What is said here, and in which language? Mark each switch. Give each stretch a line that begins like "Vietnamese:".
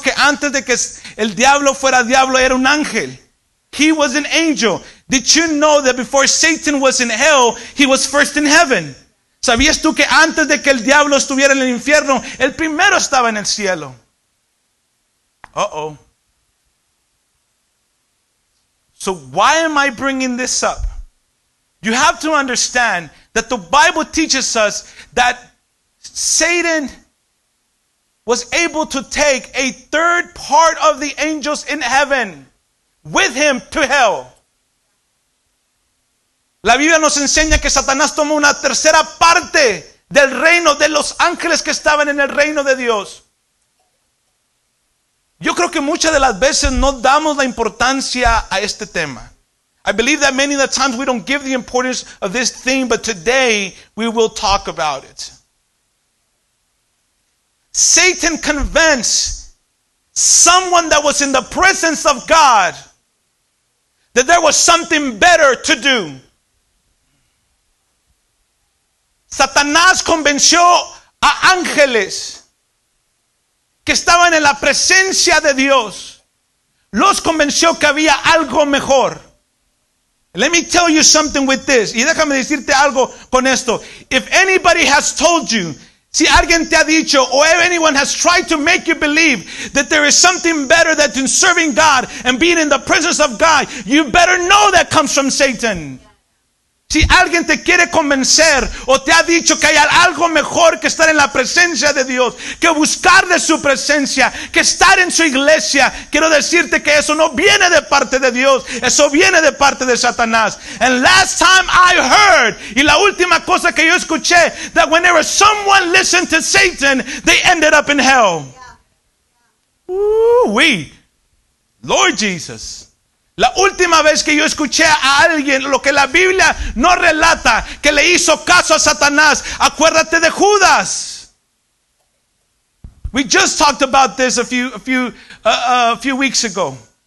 Spanish: Que antes de que el diablo fuera diablo, era un ángel.
English: He was an angel. Did you know that before Satan was in hell, he was first in heaven?
Spanish: ¿Sabías tú que antes de que el diablo estuviera en el infierno, el primero estaba en el cielo? Uh-oh.
English: So why am I bringing this up? You have to understand that the Bible teaches us that Satan was able to take a third part of the angels in heaven with him to hell.
Spanish: La Biblia nos enseña que Satanás tomó una tercera parte del reino de los ángeles que estaban en el reino de Dios. Yo creo que muchas de las veces no damos la importancia a este tema.
English: I believe that many of the times we don't give the importance of this theme, but today we will talk about it. Satan convinced someone that was in the presence of God that there was something better to do.
Spanish: Satanás convenció a ángeles que estaban en la presencia de Dios. Los convenció que había algo mejor.
English: Let me tell you something with this.
Spanish: Y déjame decirte algo con esto.
English: If anybody has told you,
Spanish: si alguien te ha dicho,
English: or if anyone has tried to make you believe that there is something better than serving God and being in the presence of God, you better know that comes from Satan.
Spanish: Si alguien te quiere convencer o te ha dicho que hay algo mejor que estar en la presencia de Dios, que buscar de su presencia, que estar en su iglesia, quiero decirte que eso no viene de parte de Dios, eso viene de parte de Satanás.
English: And last time I heard,
Spanish: y la última cosa que yo escuché,
English: that whenever someone listened to Satan, they ended up in hell. Ooh-wee. Lord Jesus.
Spanish: La última vez que yo escuché a alguien, lo que la Biblia no relata, que le hizo caso a Satanás, acuérdate de Judas.
English: We just talked about this a few weeks ago.